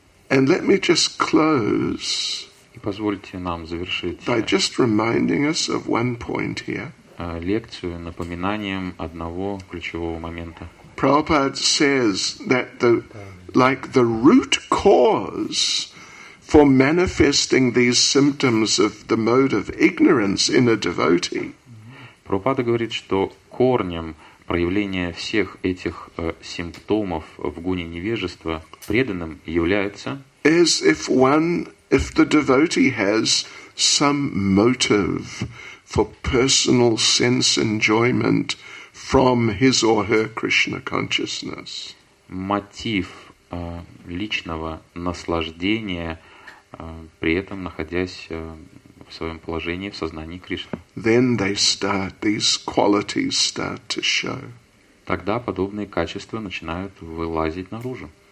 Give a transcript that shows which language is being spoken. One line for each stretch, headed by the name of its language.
English: And let me just close.
Russian: И позвольте нам завершить.
English: By just reminding us of one point here.
Russian: Лекцию напоминанием одного ключевого момента.
English: Prabhupada says that the root cause for manifesting these symptoms of the mode of ignorance in a devotee.
Russian: Прабхупада говорит, что корнем проявление всех этих симптомов в гуне невежества преданным является
English: if the devotee has some motive for personal sense enjoyment from his or her Krishna consciousness.
Russian: Мотив личного наслаждения при этом находясь в своем положении, в сознании Кришны.
English: Then they start, these qualities start to show.
Russian: Тогда подобные качества начинают вылазить наружу.